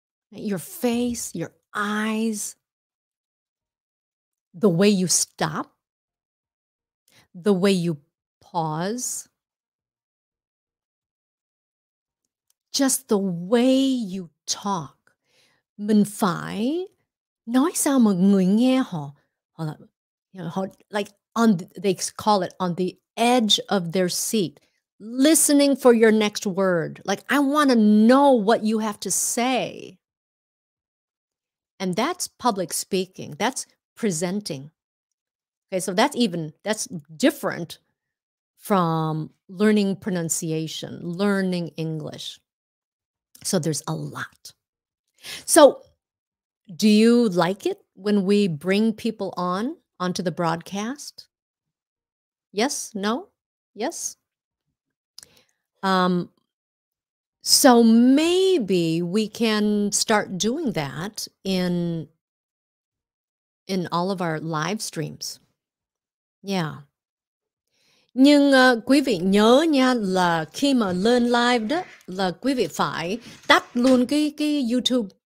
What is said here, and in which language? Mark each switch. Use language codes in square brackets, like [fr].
[en] Your face, your eyes, the way you stop, the way you pause, just the way you talk. [vi] Mình phải nói sao mà người nghe họ, [en] like on the, they call it on the edge of their seat, listening for your next word. Like, I want to know what you have to say. And that's public speaking. That's presenting. Okay, so that's different from learning pronunciation, learning English. So there's a lot. So do you like it when we bring people onto the broadcast? Yes? No? Yes? So maybe we can start doing that in all of our live streams. Yeah. [vi] Nhưng quý vị nhớ nha là khi mà lên live đó là quý vị phải tắt luôn cái YouTube.